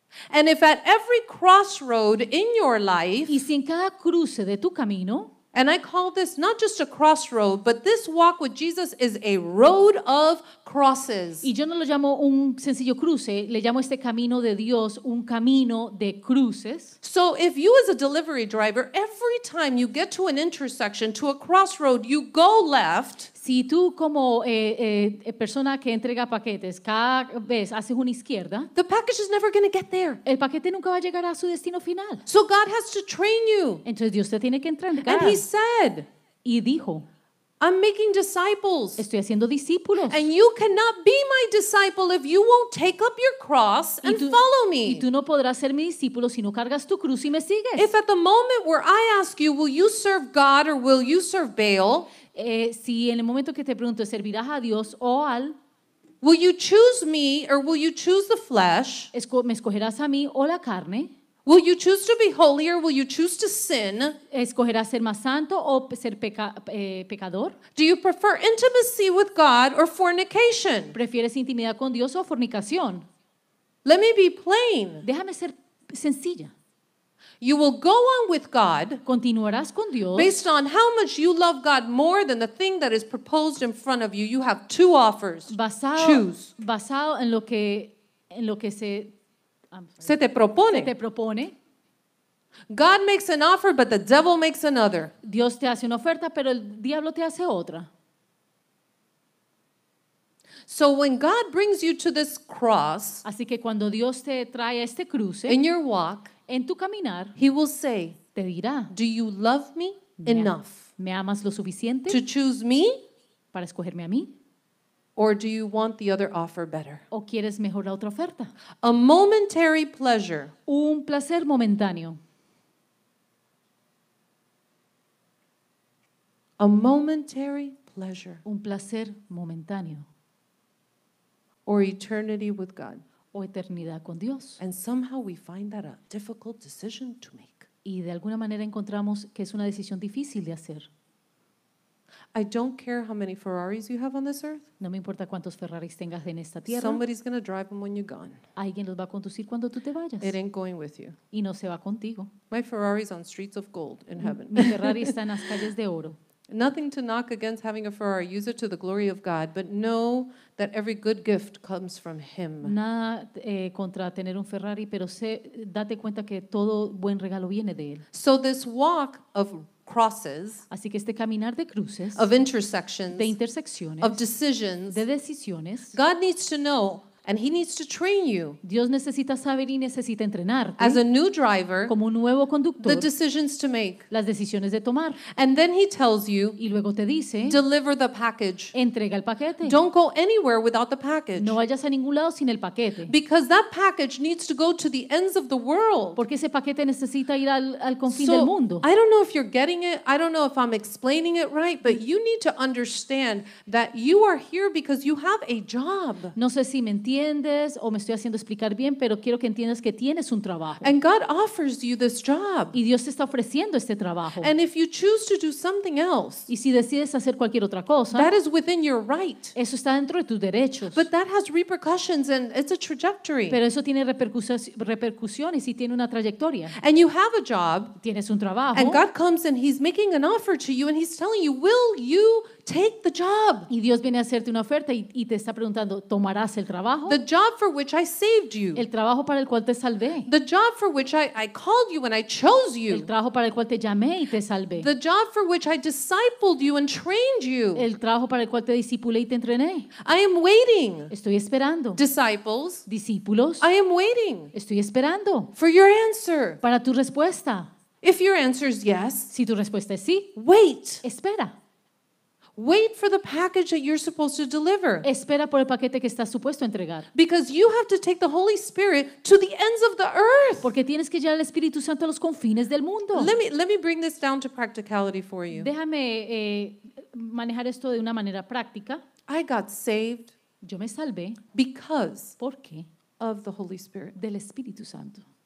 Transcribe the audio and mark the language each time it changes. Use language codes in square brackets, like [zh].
[en] And if at every crossroad in your life, [es] y si en cada cruce de tu camino, [en] and I call this not just a crossroad, but this walk with Jesus is a road of crosses. [es] Y yo no lo llamo un sencillo cruce, le llamo este camino de Dios un camino de cruces. [en] So if you as a delivery driver, every time you get to an intersection, to a crossroad, you go left. [es] Si tú como persona que entrega paquetes, cada vez haces una izquierda, [en] the package is never going to get there. [es] El paquete nunca va a llegar a su destino final. [en] So God has to train you. [es] Entonces Dios te tiene que entrenar. [en] And he said, [es] y dijo, [en] I'm making disciples. [es] Estoy haciendo discípulos. [en] And you cannot be my disciple if you won't take up your cross and follow me. [es] Y tú no podrás ser mi discípulo si no cargas tu cruz y me sigues. [en] If at the moment where I ask you, will you serve God or will you serve Baal? [es] Si en el momento que te pregunto, ¿servirás a Dios o al? [en] Will you choose me or will you choose the flesh? [es] ¿Me escogerás a mí o la carne? [en] Will you choose to be holy or will you choose to sin? [es] ¿Escogerás ser más santo o ser pecador? [en] Do you prefer intimacy with God or fornication? [es] ¿Prefieres intimidad con Dios o fornicación? [en] Let me be plain. [es] Déjame ser sencilla. [en] You will go on with God. [es] Continuarás con Dios. [en] Based on how much you love God more than the thing that is proposed in front of you, you have two offers. Choose. [es] Basado en lo que se te propone. [en] God makes an offer, but the devil makes another. [es] Dios te hace una oferta, pero el diablo te hace otra. [en] So when God brings you to this cross, [es] así que cuando Dios te trae a este cruce, [en] in your walk, [es] en tu caminar, [en] he will say, [es] te dirá, [en] do you love me enough? [es] ¿Me amas lo suficiente? [en] To choose me? [es] Para escogerme a mí. [en] Or do you want the other offer better? [es] ¿O quieres mejor la otra oferta? [en] A momentary pleasure. [es] Un placer momentáneo. [en] A momentary pleasure. [es] Un placer momentáneo. [en] Or eternity with God. [es] O eternidad con Dios. [en] And somehow we find that a difficult decision to make. [es] Y de alguna manera encontramos que es una decisión difícil de hacer. [en] I don't care how many Ferraris you have on this earth. [es] No me importa cuántos Ferraris tengas en esta tierra. [en] Somebody's going to drive them when you're gone. [es] Alguien los va a conducir cuando tú te vayas. [en] It ain't going with you. [es] Y no se va contigo. [en] My Ferrari's on streets of gold in heaven. [es] Mi Ferrari está en las calles de oro. [en] Nothing to knock against having a Ferrari. Use it to the glory of God, but know that every good gift comes from Him. [es] Nada contra tener un Ferrari, pero date cuenta que todo buen regalo viene de él. [en] So this walk of crosses, [es] así que este caminar de cruces, [en] of intersections, [es] de intersecciones, [en] of decisions, [es] de decisiones, [en] God needs to know. And he needs to train you. [es] Dios necesita saber y necesita entrenarte. [en] As a new driver, [es] como un nuevo conductor, [en] the decisions to make, [es] las decisiones de tomar. [en] And then he tells you, [es] y luego te dice, [en] deliver the package. [es] Entrega el paquete. [en] Don't go anywhere without the package. [es] No vayas a ningún lado sin el paquete. [en] Because that package needs to go to the ends of the world. [es] Porque ese paquete necesita ir al confín del mundo. [en] I don't know if you're getting it. I don't know if I'm explaining it right, but you need to understand that you are here because you have a job. [es] No sé si me entiendes. ¿Entiendes o me estoy haciendo explicar bien, pero quiero que entiendas que tienes un trabajo? [en] And God offers you this job. [es] Y Dios te está ofreciendo este trabajo. [en] And if you choose to do something else, [es] y si decides hacer cualquier otra cosa, [en] that is within your right. [es] Eso está dentro de tus derechos. [en] But that has repercussions and it's a trajectory. [es] Pero eso tiene repercusiones y tiene una trayectoria. [en] And you have a job, [es] tienes un trabajo. [en] And God comes and he's making an offer to you and he's telling you, will you take the job? [es] Y Dios viene a hacerte una oferta y te está preguntando, ¿tomarás el trabajo? [en] The job for which I saved you. [es] El trabajo para el cual te salvé. [en] The job for which I called you and I chose you. [es] El trabajo para el cual te llamé y te salvé. [en] The job for which I discipled you and trained you. [es] El trabajo para el cual te discipulé y te entrené. [en] I am waiting. [es] Estoy esperando. [en] Disciples. [es] Discípulos. [en] I am waiting. [es] Estoy esperando. [en] For your answer. [es] Para tu respuesta. [en] If your answer is yes. [es] Si tu respuesta es sí. [en] Wait. [es] Espera. [en] Wait for the package that you're supposed to deliver. [es] Espera por el paquete que estás supuesto a entregar. [en] Because you have to take the Holy Spirit to the ends of the earth. [es] Porque tienes que llevar el Espíritu Santo a los confines del mundo. [en] Let me bring this down to practicality for you. [es] Déjame manejar esto de una manera práctica. [en] I got saved. [es] Yo me salvé. [en] Because. [es] ¿Por qué? [en] Of the Holy Spirit. [es] Del Espíritu Santo.